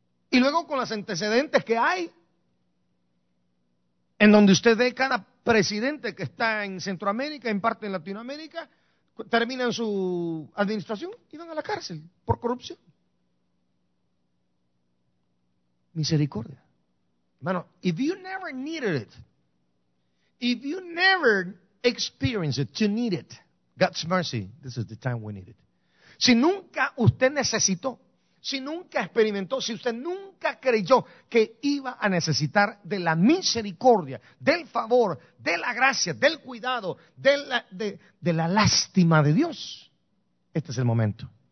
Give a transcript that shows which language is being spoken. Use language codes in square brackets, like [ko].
[es] Y luego con los antecedentes que hay, en donde usted ve cada presidente que está en Centroamérica, en parte en Latinoamérica, terminan su administración y van a la cárcel por corrupción. Misericordia. [en] Hermano, if you never needed it, if you never experienced it to need it, God's mercy, this is the time we need it. [es] Si nunca usted necesitó, si nunca experimentó, si usted nunca creyó que iba a necesitar de la misericordia, del favor, de la gracia, del cuidado, de la lástima de Dios, este es el momento.